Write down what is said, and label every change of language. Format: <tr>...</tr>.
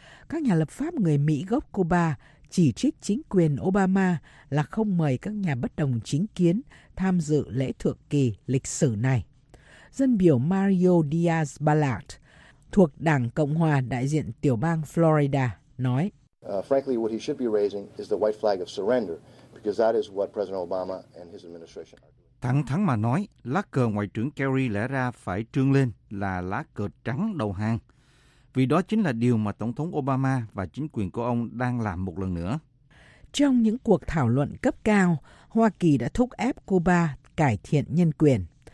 <vi>Các nhà lập pháp người Mỹ gốc Cuba chỉ trích chính quyền Obama là không mời các nhà bất đồng chính kiến tham dự lễ thượng kỳ lịch sử này. Dân biểu Mario Diaz-Balart thuộc Đảng Cộng Hòa đại diện tiểu bang Florida nói:</vi> <en>Frankly, what he should be raising is the white flag of surrender, because that is what President Obama and his administration are.</en> <vi>Thẳng thắn mà nói, lá cờ Ngoại trưởng Kerry lẽ ra phải trương lên là lá cờ trắng đầu hàng, vì đó chính là điều mà Tổng thống Obama và chính quyền của ông đang làm một lần nữa. Trong những cuộc thảo luận cấp cao, Hoa Kỳ đã thúc ép Cuba cải thiện nhân quyền.</vi>